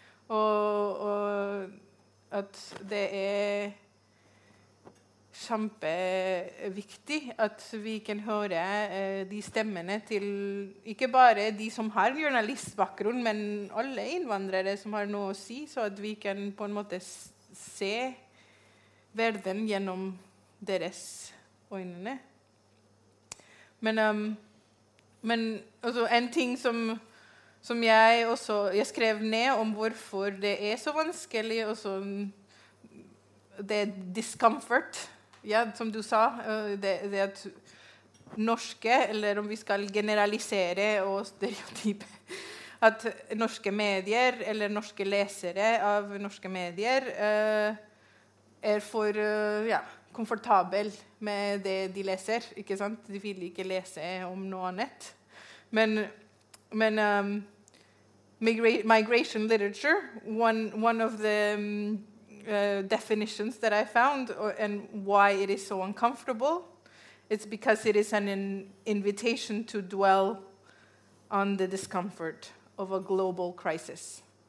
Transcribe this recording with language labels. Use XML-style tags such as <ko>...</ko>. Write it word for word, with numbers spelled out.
<no>Og, og at det er kjempeviktig at vi kan høre eh, de stemmene til ikke bare de som har journalistbakgrunn, men alle innvandrere som har noe å si, så at vi kan på en måte se verden gjennom deres øynene. Men, um, men altså, en ting som som</no> <sv>jag också jag skrev ner om varför det är så vanskligt och så det discomfort ja som du sa det, det att norska eller om vi ska generalisera och stereotyp att norska medier eller norska läsare av norska medier eh, är för ja komfortabel med det de läser, inte sant? De vill inte läsa om något annat.</sv> <no>Men men</no> <en>um, migra- migration literature, one one of the um, uh, definitions that I found or, and why it is so uncomfortable, it's because it is an in- invitation to dwell on the discomfort of a global crisis.</en>